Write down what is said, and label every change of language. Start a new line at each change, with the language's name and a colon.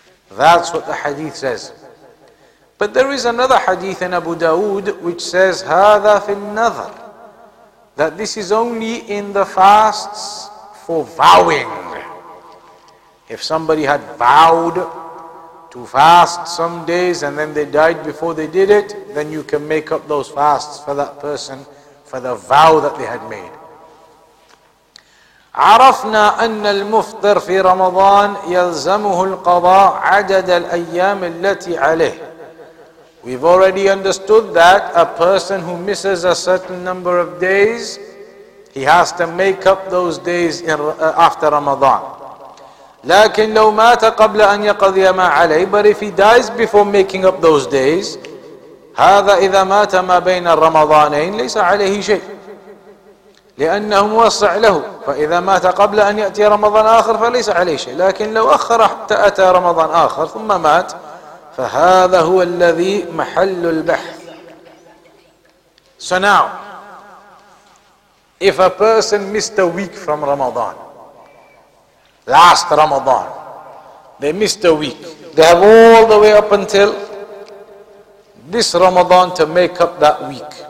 English: That's what the hadith says. But there is another hadith in Abu Dawood which says,
Arabic: هَذَا فِي النَّذَرِ,
English: that this is only in the fasts for vowing. If somebody had vowed to fast some days and then they died before they did it, then you can make up those fasts for that person for the vow that they had made.
Arabic: عرفنا أن المفطر في رمضان يلزمه القضاء عدد الأيام التي عليه.
English: We've already understood that a person who misses a certain number of days, he has to make up those days after Ramadan.
Arabic: لكن لو مات قبل أن يقضي ما عليه,
English: but if he dies before making up those days,
Arabic: هذا إذا مات ما بين الرمضانين ليس عليه شيء. لأنه موسع له فإذا مات قبل أن يأتي رمضان آخر فليس عليه شيء لكن لو أخر حتى أتى رمضان آخر ثم مات فهذا هو الذي محل البحث.
English: So now, if a person missed a week from Ramadan, last Ramadan, they missed a week, they have all the way up until this Ramadan to make up that week.